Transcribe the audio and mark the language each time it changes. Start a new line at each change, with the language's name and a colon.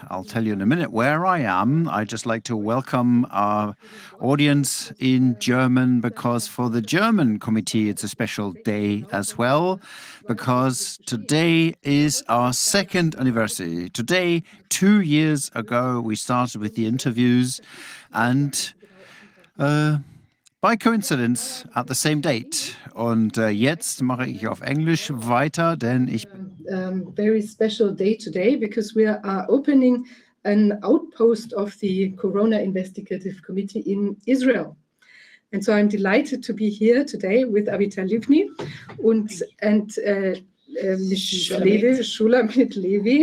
English: I'll tell you in a minute where I am. I just like to welcome our audience in German because for the German committee, it's a special day as well because today is our second anniversary. Today, 2 years ago, we started with the interviews and by coincidence, at the same date.
German: Und jetzt mache ich auf Englisch weiter, denn ich...
English: Very special day today, because we are opening an outpost of the Corona Investigative Committee in Israel. And so I'm delighted to be here today with Avital Livny and Shulamit Levi.